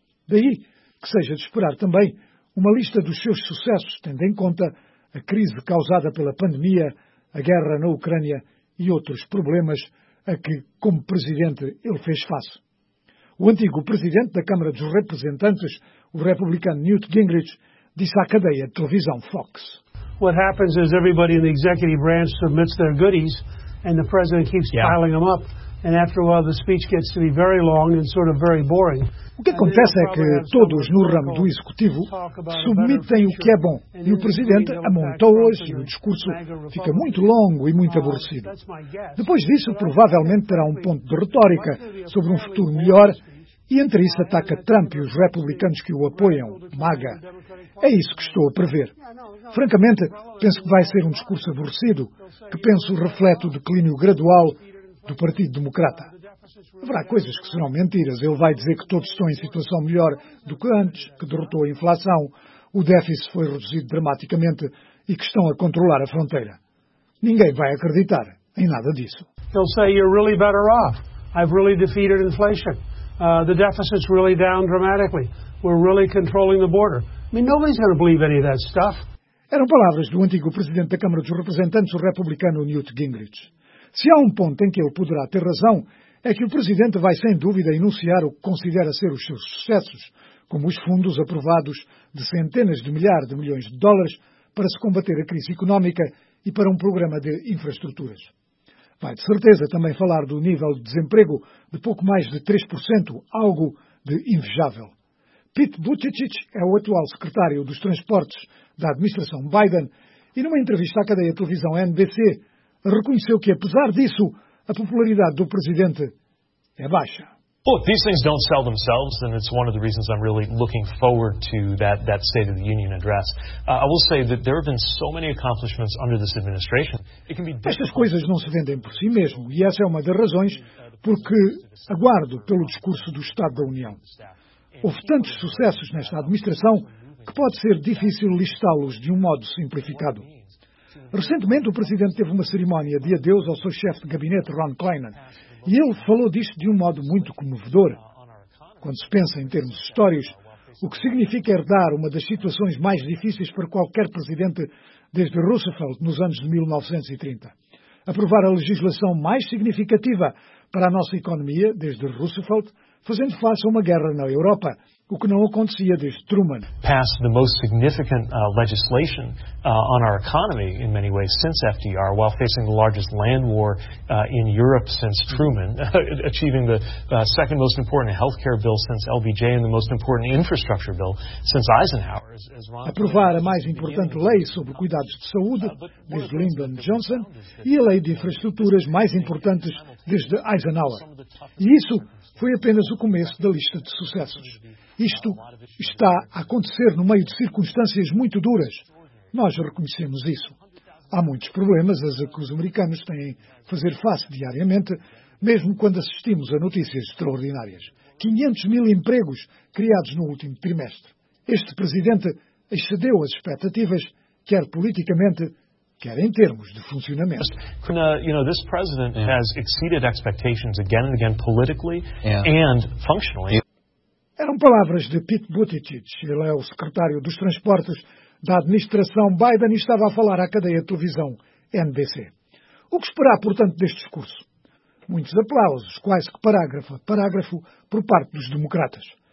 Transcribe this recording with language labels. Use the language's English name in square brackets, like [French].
[Portuguese] Daí que seja de esperar também uma lista dos seus sucessos, tendo em conta a crise causada pela pandemia, a guerra na Ucrânia e outros problemas a que, como presidente, ele fez face. O antigo presidente da Câmara dos Representantes, o republicano Newt Gingrich, disse à cadeia de televisão Fox: [English] "What happens is everybody in the executive branch submits their goodies, and the president keeps piling them up. And after a while, the speech gets to be very long and sort of very boring." [Portuguese] O que acontece é que todos no ramo do executivo submetem o que é bom, e o presidente amontoa-os e o discurso fica muito longo e muito aborrecido. Depois disso, provavelmente terá um ponto de retórica sobre um futuro melhor, e entre isso ataca Trump e os republicanos que o apoiam, MAGA. É isso que estou a prever. Francamente, penso que vai ser um discurso aborrecido, que penso reflete o declínio gradual do Partido Democrata. Haverá coisas que serão mentiras. Ele vai dizer que todos estão em situação melhor do que antes, que derrotou a inflação, o déficit foi reduzido dramaticamente e que estão a controlar a fronteira. Ninguém vai acreditar em nada disso. Ele vai dizer: [English] "You're really better off. I've really defeated inflation. The deficit's really down dramatically. We're really controlling the border." I mean, nobody's going to believe any of that stuff. [Portuguese] Eram palavras do antigo presidente da Câmara dos Representantes, o republicano Newt Gingrich. Se há um ponto em que ele poderá ter razão, é que o presidente vai sem dúvida enunciar o que considera ser os seus sucessos, como os fundos aprovados de centenas de milhares de milhões de dólares para se combater a crise económica e para um programa de infraestruturas. Vai de certeza também falar do nível de desemprego de pouco mais de 3%, algo de invejável. Pete Buttigieg é o atual secretário dos transportes da administração Biden e numa entrevista à cadeia de televisão NBC reconheceu que, apesar disso, a popularidade do presidente é baixa. [English] Look, these things don't sell themselves, and it's one of the reasons I'm really looking forward to that State of the Union address. I will say that there have been so many accomplishments under this administration. [Portuguese] Estas coisas não se vendem por si mesmo, e essa é uma das razões porque aguardo pelo discurso do Estado da União. Houve tantos sucessos nesta administração que pode ser difícil listá-los de um modo simplificado. Recentemente, o presidente teve uma cerimónia de adeus ao seu chefe de gabinete, Ron Klyman, e ele falou disto de um modo muito comovedor. Quando se pensa em termos históricos, o que significa herdar uma das situações mais difíceis para qualquer presidente desde Roosevelt, nos anos de 1930. Aprovar a legislação mais significativa para a nossa economia, desde Roosevelt, fazendo face a uma guerra na Europa, o que não acontecia desde Truman. [English] Passed the most significant legislation on our economy in many ways since FDR, while facing the largest land war in Europe since Truman, achieving the second most important health care bill since LBJ and the most important infrastructure bill since Eisenhower. [Portuguese] Aprovar a mais importante lei sobre cuidados de saúde desde Lyndon Johnson e a lei de infraestruturas mais importantes desde Eisenhower. E isso foi apenas o começo da lista de sucessos. Isto está a acontecer no meio de circunstâncias muito duras. Nós reconhecemos isso. Há muitos problemas a que os americanos têm de fazer face diariamente, mesmo quando assistimos a notícias extraordinárias. 500 mil empregos criados no último trimestre. Este presidente excedeu as expectativas, quer politicamente, quer em termos de funcionamento. [English] This president has exceeded expectations again and again politically and functionally. [Portuguese] Eram palavras de Pete Buttigieg, ele é o secretário dos transportes da administração Biden e estava a falar à cadeia de televisão NBC. O que esperar, portanto, deste discurso? Muitos aplausos, quase que parágrafo a parágrafo, por parte dos democratas.